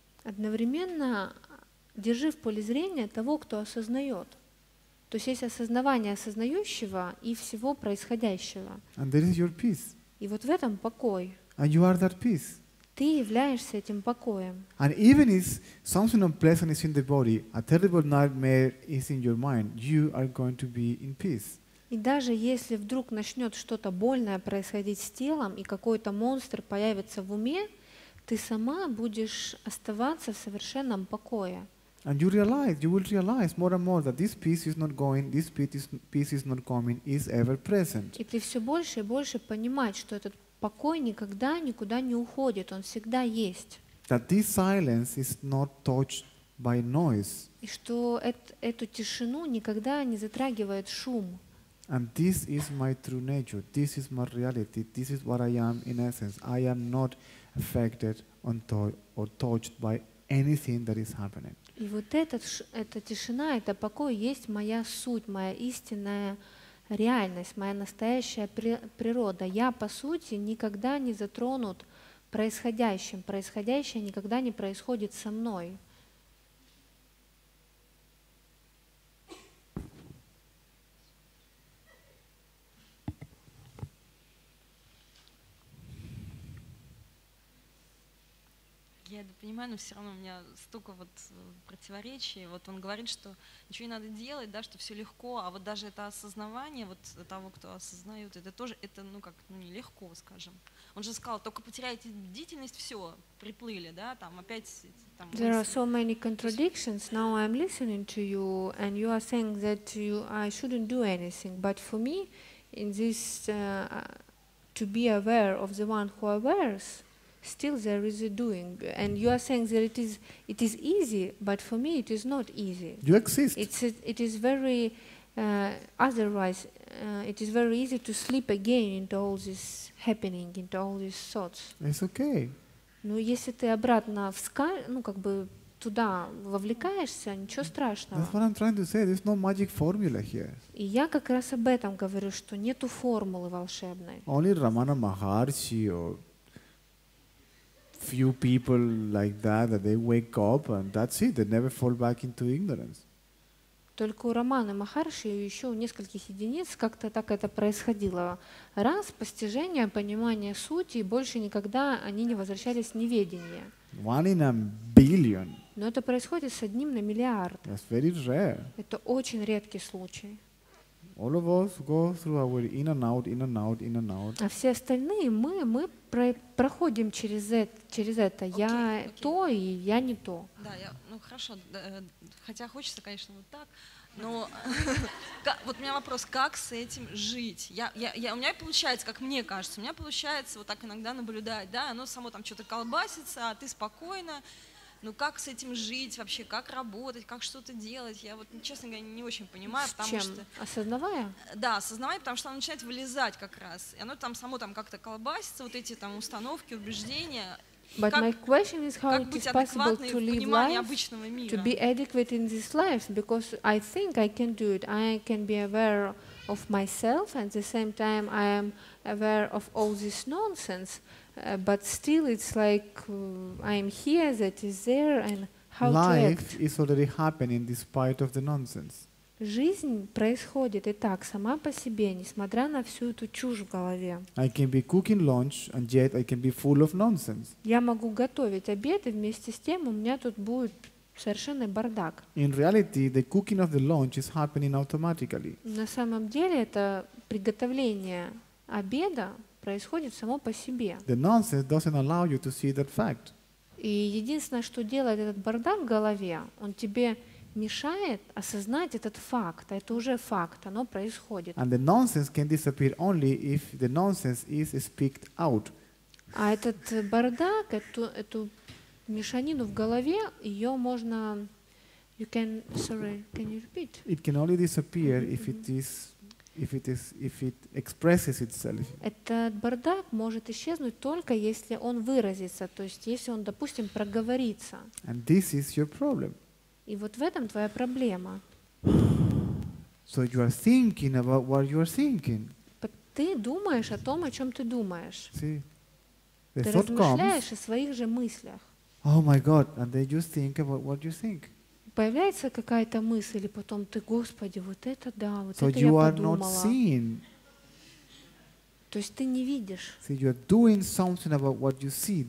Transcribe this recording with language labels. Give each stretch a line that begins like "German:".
Russian: Одновременно держи в поле зрения того, кто осознает. То есть есть осознавание осознающего и всего происходящего.
English: And there is your peace.
Russian: И вот в этом покой.
English: And you are that peace.
Russian: ты являешься этим покоем.
English: And even if something unpleasant is in the body, a terrible nightmare is in your mind, you are going to be in peace.
Russian: И даже если вдруг начнет что-то больное происходить с телом и какой-то монстр появится в уме, ты сама будешь оставаться в совершенном покое.
English: And you will realize more and more that this peace is not going, this peace is not coming, is ever present.
Russian: И ты все больше и больше понимаешь, что этот покой никогда никуда не уходит, он всегда есть.
English: That this silence is not touched by noise.
Russian: И что эту тишину никогда не затрагивает шум.
English: And this is my true nature. This is my reality. This is what I am in essence. I am not affected or touched by anything that is happening.
Russian: И вот эта тишина, это покой есть моя суть, моя истинная реальность, моя настоящая природа. Я по сути никогда не затронут происходящим. Происходящее никогда не происходит со мной. Я это понимаю, но все равно у меня столько вот противоречий. Вот он говорит, что ничего не надо делать, да, что все легко, а вот даже это осознавание вот того, кто осознает, это тоже, это, ну как, ну не легко, скажем. Он же сказал, только потеряете бдительность, все, приплыли, да, там опять. Там,
English: there are so many contradictions. Now I'm listening to you, and you are saying that you I shouldn't do anything, but for me, in this to be aware of the one who awares. Still there is a doing, and you are saying that it is easy, but for me it is not easy. You exist. It is very easy to slip again into all this happening, into all these thoughts. It's okay.
Russian: Но если ты обратно туда вовлекаешься, ничего страшного.
English: That's what I'm trying to say. There's no magic formula here.
Russian: И я как раз об этом говорю, что нету формулы волшебной.
English: Only Ramana Maharshi or few people like that they wake up and that's it, they never fall back into ignorance.
Russian: Только у Рамана Махарши и еще у нескольких единиц как-то так это происходило. Раз постижение, понимание сути, и больше никогда они не возвращались в неведение.
English: One in a billion.
Russian: Но это происходит с одним на миллиард.
English: That's very rare.
Russian: Это очень редкий случай.
English: All of us go through our in and out, in and out, in and out.
Russian: А все остальные мы проходим через это. То и я не то. Да, я, ну хорошо, да, хотя хочется, конечно, вот так, но вот у меня вопрос, как с этим жить? У меня получается, как мне кажется, у меня получается вот так иногда наблюдать, да, оно само там что-то колбасится, а ты спокойно. Ну как с этим жить вообще, как работать, как что-то делать? Я вот, честно говоря, не очень понимаю, потому чем? Что... Осознавая? Да, осознавая, потому что оно начинает вылезать как раз. И оно там само там как-то колбасится, вот эти там установки, убеждения.
English: But
Russian: как,
English: my question is how it is possible to live life, to be adequate in this life, because I think I can do it. I can be aware of myself, and at the same time I am aware of all this nonsense. But still, it's like I'm here, that is there, and how life to act. Life is already happening despite of the nonsense.
Russian: Жизнь происходит и так сама по себе, несмотря на всю эту чушь в голове.
English: I can be cooking lunch, and yet I can be full of nonsense.
Russian: Я могу готовить обед, и вместе с тем у меня тут будет совершенный бардак.
English: In reality, the cooking of the lunch is happening automatically.
Russian: На самом деле, это приготовление обеда. Происходит само по себе.
English: The nonsense doesn't allow you to see that fact.
Russian: И единственное, что делает этот бардак в голове, он тебе мешает осознать этот факт. Это уже факт, оно происходит.
English: And the nonsense can disappear only if the nonsense is speaked out.
Russian: А этот бардак, эту мешанину в голове, ее можно...
English: can you repeat? It can only disappear if it is... If it expresses itself.
Russian: Этот бардак может исчезнуть только если он выразится, то есть если он, допустим, проговорится.
English: And this is your problem.
Russian: И вот в этом твоя проблема.
English: So you are thinking about what you are thinking.
Russian: Ты думаешь о том, о чем ты думаешь.
English: See?
Russian: Ты размышляешь о своих же мыслях.
English: Oh my God! And then you think about what you think.
Russian: Появляется какая-то мысль, и потом ты, Господи, вот это да, вот
English: so
Russian: это я подумала.
English: Seen.
Russian: То есть ты не видишь.
English: So you're doing something about what you see.